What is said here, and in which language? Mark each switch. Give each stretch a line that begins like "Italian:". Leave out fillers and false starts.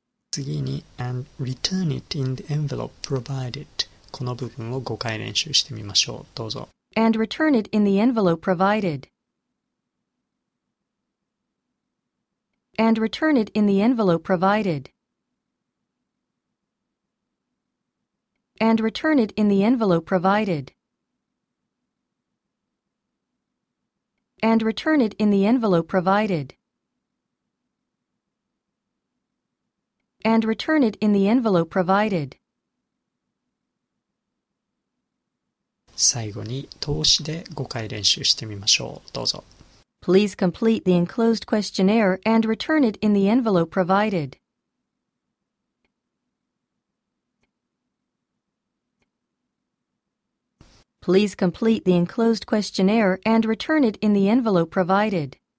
Japanese: 次に
English: and return it in the envelope provided.
Japanese: この部分を5回練習してみましょう。どうぞ。
English: And return it in the envelope provided. And return it in the envelope provided. And return it in the envelope provided. And return it in the envelope provided. And return it in the envelope provided.
Japanese: 最後に投資で5回練習してみましょう。どうぞ。
English: Please complete the enclosed questionnaire and return it in the envelope provided. Please complete the enclosed questionnaire and return it in the envelope provided.